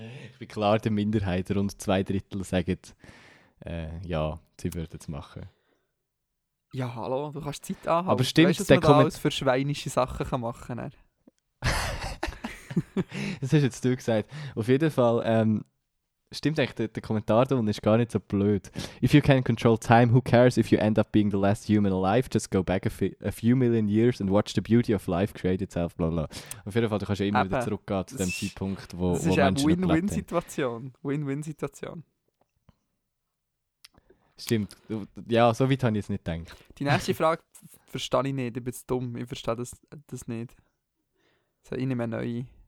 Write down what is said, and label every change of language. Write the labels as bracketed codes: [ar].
[de] Ich bin klar der Minderheit, rund zwei Drittel sagen, ja, sie würden es machen. Ja, hallo, du kannst Zeit anhalten. Aber stimmt, weißt, dass man da alles für schweinische Sachen machen kann? Das hast jetzt du gesagt. Auf jeden Fall, stimmt eigentlich, der Kommentar da und ist gar nicht so blöd. [en] If you can control time, who cares if you end up being the last human alive? Just go back a few million years and watch the beauty of life create itself. Blablabla. [de] Auf jeden Fall, du kannst ja immer wieder zurückgehen zu dem Zeitpunkt, wo Menschen nicht bleibt. Das ist eine Win-Win-Situation. Win-Win-Situation. Stimmt. Ja, so weit habe ich es nicht gedacht. Die nächste Frage verstehe ich nicht. Ich bin zu dumm. Ich verstehe das nicht. So, ich nehme eine neue.